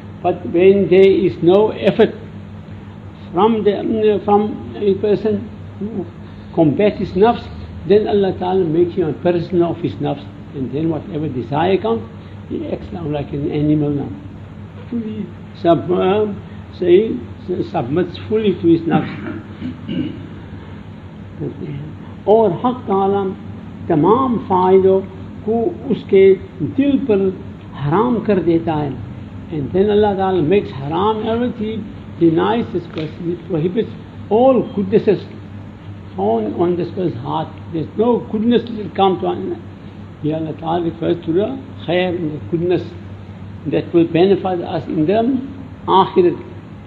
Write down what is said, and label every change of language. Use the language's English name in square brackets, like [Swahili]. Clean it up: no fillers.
[English] But when there is no effort from a person to combat his nafs, then Allah Ta'ala makes him a prisoner of his nafs. And then whatever desire comes, he acts now like an animal now. Fully submits fully to his nafs. [Urdu] Or Haq Ta'ala, تمام فائدوں کو اس کے دل پر حرام کر دیتا ہے. [English] And then Allah Ta'ala makes haram everything, denies this person, it prohibits all goodnesses found on this person's heart. There's no goodness that will come to Allah. Allah Ta'ala refers to the khair, the goodness that will benefit us in the akhirat.